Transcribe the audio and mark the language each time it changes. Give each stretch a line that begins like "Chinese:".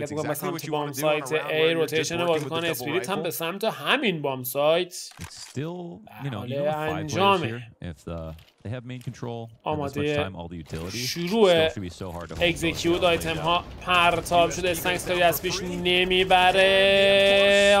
English: It's exactly what you want to do on a round where you're just working with a double rifle.
Persian: Spirit هم به سمت همین بام سایت.
English: It's still, you know, you have five players here. If they have main control, and as much time, all the utilities, it's still going to be so hard to hold. Execute item
Persian: ها پرتاب شده. استنکس کاری از پیش نمیبره.